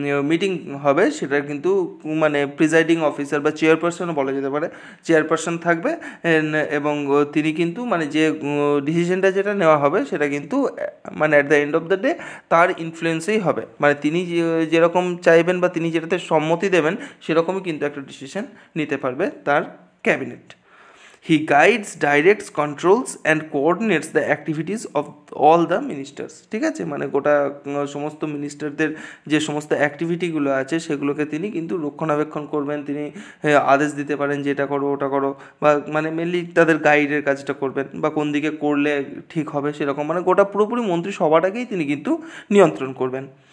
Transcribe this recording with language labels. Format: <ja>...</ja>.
<bn>Meeting হবে সেটা কিন্তু মানে প্রিজাইডিং অফিসার বা চেয়ারপারসনও বলা যেতে পারে চেয়ারপারসন থাকবে এবং তিনি কিন্তু মানে যে ডিসিশনটা যেটা নেওয়া হবে সেটা কিন্তু মানে</bn> <en>at the end of the day</en> <bn>তার ইনফ্লুয়েন্সেই হবে মানে তিনি যেরকম চাইবেন বা তিনি যেটাতে সম্মতি দেবেন সেরকমই কিন্তু একটা ডিসিশন নিতে পারবে তার cabinet</bn> <en>He guides, directs, controls and coordinates the activities of all the ministers.</en> <bn>ঠিক আছে, মানে গোটা সমস্ত মিনিস্টারদের যে সমস্ত অ্যাক্টিভিটিগুলো আছে সেগুলোকে তিনি কিন্তু রক্ষণাবেক্ষণ করবেন, তিনি আদেশ দিতে পারেন যে এটা করো ওটা করো, বা মানে মেনলি তাদের গাইডের কাজটা করবেন বা কোন দিকে করলে ঠিক হবে সেরকম, মানে গোটা পুরোপুরি মন্ত্রী সভাটাকেই তিনি কিন্তু নিয়ন্ত্রণ করবেন।</bn>